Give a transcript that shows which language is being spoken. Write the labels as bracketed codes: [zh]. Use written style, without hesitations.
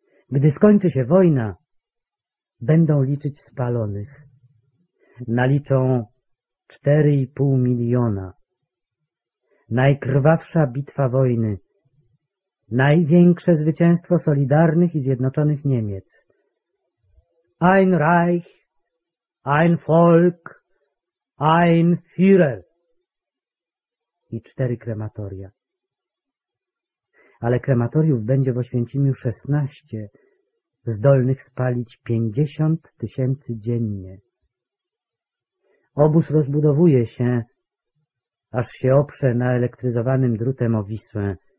[pl] Gdy skończy się wojna, będą liczyć spalonych. Naliczą 4,5 miliona. Najkrwawsza bitwa wojny. Największe zwycięstwo Solidarnych i Zjednoczonych Niemiec. [de] Ein Reich, ein Volk, ein Führer. [pl] I 4 krematoria. Ale krematoriów będzie w Oświęcimiu 16, zdolnych spalić 50 tysięcy dziennie. Obóz rozbudowuje się, aż się oprze na elektryzowanym drutem o Wisłę.